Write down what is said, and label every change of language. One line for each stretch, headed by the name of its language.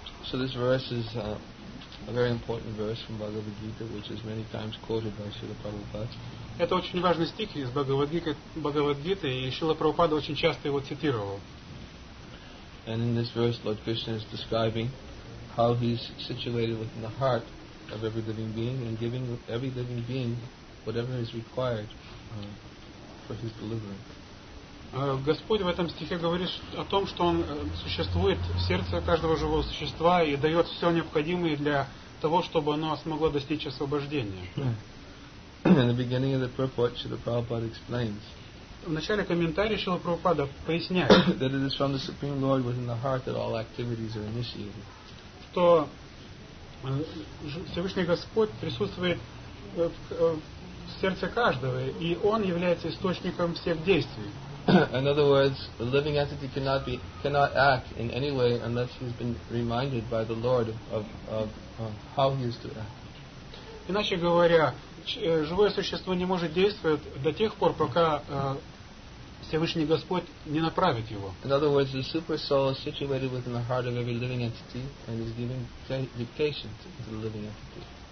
English: So this verse is a very important verse from Bhagavad Gita, which is many times quoted by Srila Prabhupada.
Russian: Это очень важный стих из Бхагавад-гиты, и Шрила Прабхупада очень часто его цитировал.
English: And in this verse, Lord Krishna is describing how he's situated within the heart of every living being and giving every living being whatever is required for his deliverance.
Russian: Господь в этом стихе говорит о том, что Он существует в сердце каждого живого существа и дает все необходимое для того, чтобы оно смогло достичь освобождения.
English: In the beginning of the purport, Srila Prabhupada explains.
Russian: В начале комментария Шрила Прабхупада поясняет,
English: that it is from the Supreme Lord within the heart that all activities are initiated.
Russian: Что Всевышний Господь присутствует в сердце каждого, и Он является источником всех действий.
English: In other words, the living entity cannot act in any way unless he's been reminded by the Lord of how he is to act.
Russian: Иначе говоря, живое существо не может действовать до тех пор, пока Всевышний Господь не направит его.
English: In other words, the super soul is situated within the heart of every living entity and is giving dictation to the living entity.